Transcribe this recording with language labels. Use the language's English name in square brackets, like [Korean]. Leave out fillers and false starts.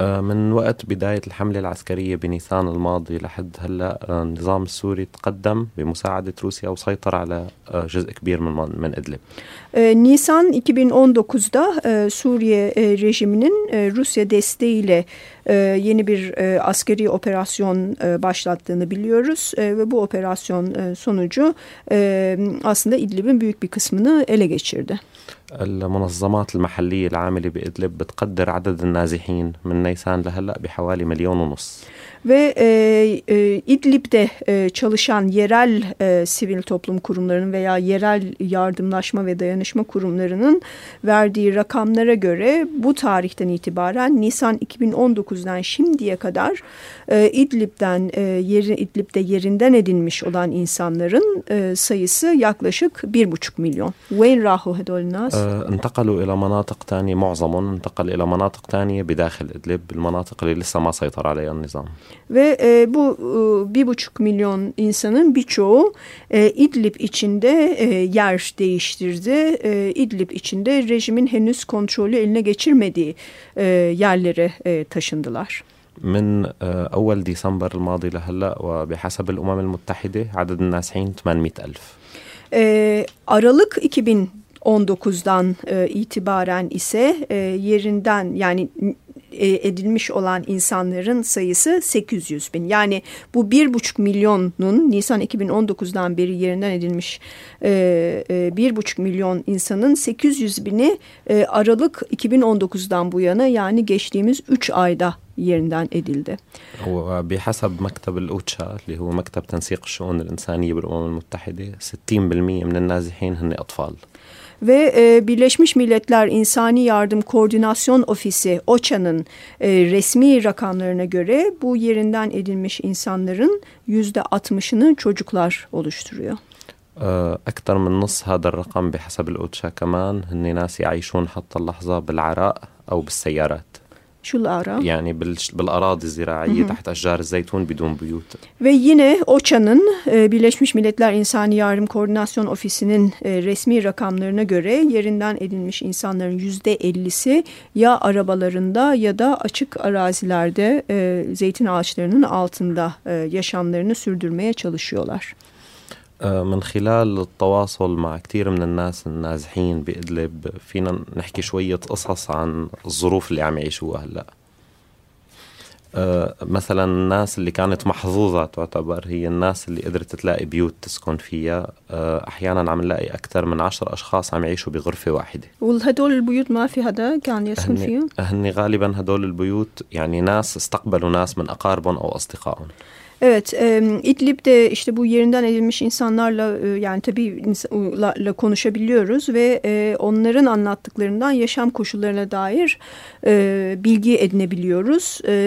[Arabic] من وقت بداية الحملة العسكرية بنيسان الماضي لحد هلا النظام السوري تقدم بمساعدة روسيا وسيطر على جزء كبير من إدلب. [Turkish] نيسان 2019'da سوريا rejiminin روسيا desteğiyle yeni bir askeri operasyon başlattığını biliyoruz ve bu operasyon sonucu aslında İdlib'in büyük bir kısmını ele geçirdi. [Arabic] المنظمات المحلية العاملة بإدلب بتقدر عدد النازحين من نيسان لهلا بحوالي 1.5 مليون. [Turkish] Ve İdlib'de çalışan yerel sivil toplum kurumlarının veya yerel yardımlaşma ve dayanışma kurumlarının verdiği rakamlara göre bu tarihten itibaren Nisan 2019'dan şimdiye kadar İdlib'de yerinden edinmiş olan insanların sayısı yaklaşık 1.5 milyon. [Arabic] وين راحوا هدول الناس؟ انتقلوا الى مناطق تانية. معظمهم انتقل الى مناطق تانية بداخل إدلب, المناطق اللي لسه ما سيطر عليها النظام. [Turkish] Ve bu 1.5 milyon insanın birçoğu İdlib içinde yer değiştirdi. İdlib içinde rejimin henüz kontrolü eline geçirmediği yerlere taşındılar. [Arabic] من أول ديسمبر الماضي لهلا وبحسب الأمم المتحدة عدد النازحين 800 ألف. [Turkish] Aralık 2019'dan itibaren ise yerinden yani edilmiş olan insanların sayısı 800 bin. Yani bu 1.5 milyonun Nisan 2019'dan beri yerinden edilmiş 1.5 milyon insanın 800 bini Aralık 2019'dan bu yana yani geçtiğimiz 3 ayda yerinden edildi. [Arabic] بحسب مكتب الأوتشا اللي هو مكتب تنسيق الشؤون الإنسانية بالأمم المتحدة 60% من النازحين هن أطفال. [Turkish] Ve Birleşmiş Milletler İnsani Yardım Koordinasyon Ofisi OCHA'nın resmi rakamlarına göre bu yerinden edilmiş insanların %60'ını çocuklar oluşturuyor. [Arabic] أكثر من نص هذا الرقم بحسب الأوتشا كمان هن ناس يعيشون حتى اللحظة بالعراء أو بالسيارات. [Turkish] Şu ara. [Arabic] Yani bil-arazi ziraiye taht ashjar zeytun bidun buyut. [Turkish] Ve yine OCHA'nın Birleşmiş Milletler İnsani Yardım Koordinasyon Ofisi'nin resmi rakamlarına göre yerinden edilmiş insanların %50'si ya arabalarında ya da açık arazilerde zeytin ağaçlarının altında yaşamlarını sürdürmeye çalışıyorlar. [Arabic] من خلال التواصل مع كتير من الناس النازحين بإدلب فينا نحكي شوية قصص عن الظروف اللي عم يعيشوها هلا. مثلا الناس اللي كانت محظوظة تعتبر هي الناس اللي قدرت تلاقي بيوت تسكن فيها. أحيانا عم نلاقي أكثر من 10 أشخاص عم يعيشوا بغرفة واحدة. وهدول البيوت ما في هذا كان يسكن فيهم؟ هني غالبا هدول البيوت يعني ناس استقبلوا ناس من أقاربهم أو أصدقائهم. [Turkish] Evet, İdlib'de işte bu yerinden edilmiş insanlarla yani tabii konuşabiliyoruz ve onların anlattıklarından yaşam koşullarına dair bilgi edinebiliyoruz.